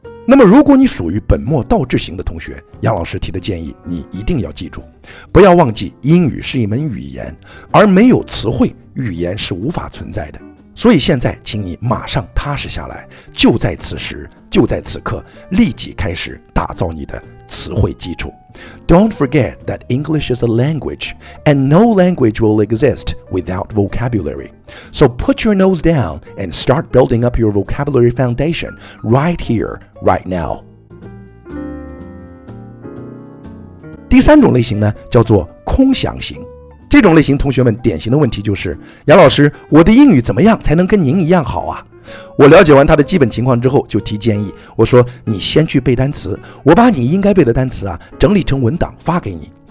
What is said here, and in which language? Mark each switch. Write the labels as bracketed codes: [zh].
[zh] 那么如果你属于本末倒置型的同学，杨老师提的建议你一定要记住，不要忘记英语是一门语言，而没有词汇，语言是无法存在的。所以现在请你马上踏实下来，就在此时，就在此刻，立即开始打造你的词汇基础。 [en] Don't forget that English is a language, and no language will exist without vocabulary. So put your nose down and start building up your vocabulary foundation right here, right now. [zh] 第三种类型呢，叫做空想型。这种类型同学们典型的问题就是，杨老师，我的英语怎么样才能跟您一样好啊？我了解完他的基本情况之后，就提建议，我说你先去背单词，我把你应该背的单词啊整理成文档发给你。